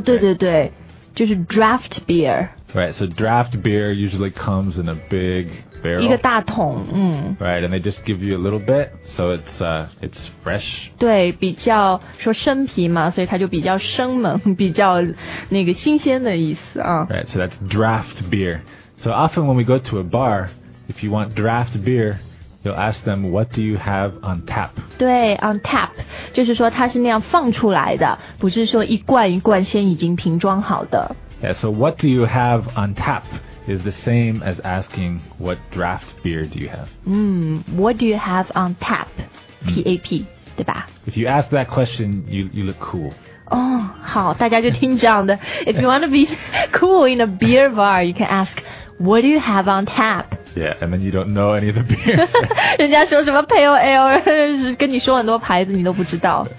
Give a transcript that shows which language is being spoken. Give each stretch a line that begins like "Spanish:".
Chinese: 对对对，就是 draft beer.
English: Right, so draft beer usually comes in a big...
Chinese: 一个大桶，
English: Right, and they just give you a little bit, so it's fresh.
Chinese: 对，比较说生啤嘛，所以它就比较生猛，比较那个新鲜的意思啊。
English: Right, so that's draft beer. So often when we go to a bar, if you want draft beer, you'll ask them, what do you have on tap?
Chinese: 对 ，on tap 就是说它是那样放出来的，不是说一罐一罐先已经瓶装好的。
English: Yeah, so what do you have on tap? Is the same as asking what draft beer do you have? What do you have on tap? T-A-P.
Chinese: 对吧
English: If you ask that question, you look cool. Oh,
Chinese: 好，大家就听这样的
English: If you want to be cool in a beer bar, you can ask, what do you have on tap? Yeah, and then you don't know any of the beers.
Chinese: 人家说什么 pale ale, 跟你说很多牌子你都不知道。